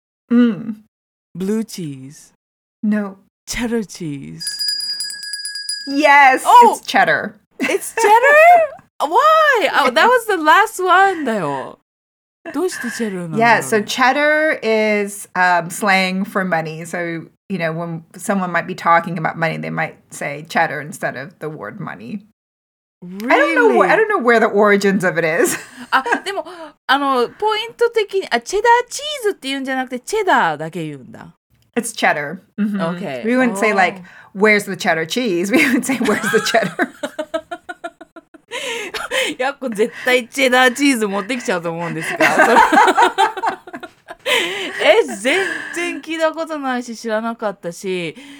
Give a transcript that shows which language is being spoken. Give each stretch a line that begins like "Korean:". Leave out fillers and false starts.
Japanese: うん。
English: Blue cheese. No. Cheddar cheese. Yes,、 oh, it's cheddar. It's cheddar? Why? Oh, that was the last one, だよ。
Japanese: どうしてチェダーなの?
English: Yeah, so cheddar is、slang for money. So, you know, when someone might be talking about money, they might say cheddar instead of the word money. Really? I don't know where the origins of it is.
Japanese: あ、でも、あの、ポイント的に、あ、チェダーチーズって言うんじゃなくて、チェダーだけ言うんだ。
English: It's cheddar.、 Mm-hmm. Okay. We wouldn't、oh. say like, where's the cheddar cheese? We would say, where's the cheddar?
Japanese: やっこ絶対チェダーチーズ持ってきちゃうと思うんですが。え、全然聞いたことないし知らなかったし。